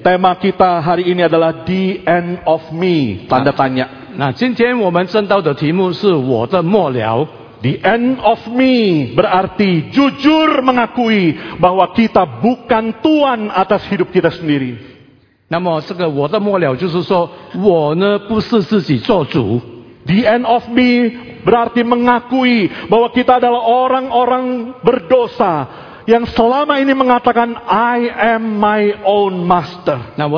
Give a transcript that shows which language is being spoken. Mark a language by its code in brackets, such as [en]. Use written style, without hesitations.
[id] Tema kita hari ini adalah The End of Me. [zh] 那, 那, 那今天我们证道的题目是我的末了. [id] The end of me berarti jujur mengakui bahwa kita bukan tuan atas hidup kita sendiri. [zh] 那么这个我的末了就是说我呢不是自己做主. [id] The end of me berarti mengakui bahwa kita adalah orang-orang berdosa yang selama ini mengatakan [en] I am my own master.